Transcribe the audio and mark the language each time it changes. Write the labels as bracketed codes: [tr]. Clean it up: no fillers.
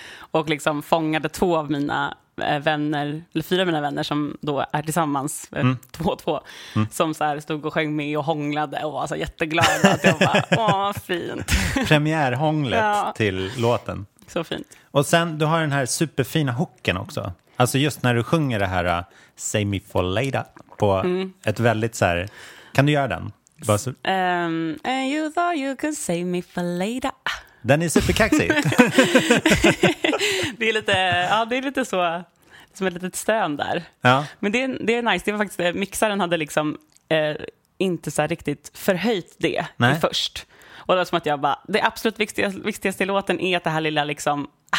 [sv] Och liksom fångade två av mina... vänner, eller fyra av mina vänner som då är tillsammans, två som så här stod och sjöng med och hånglade och var så jätteglada att jag bara, åh, fint. Premiärhånglet till låten. Så fint. Och sen, du har den här superfina hooken också. Alltså just när du sjunger det här, [en] say me for later [sv] på ett väldigt så här, kan du göra den? Bara så... [en] and you thought you could say me for later. [sv] Den är superkaxig. det är lite så, som ett litet stön där. Ja. Men det är nice. Det var faktiskt, mixaren hade liksom inte så riktigt förhöjt det först. Och det var som att jag bara, det absolut viktigaste i låten är att det här lilla liksom,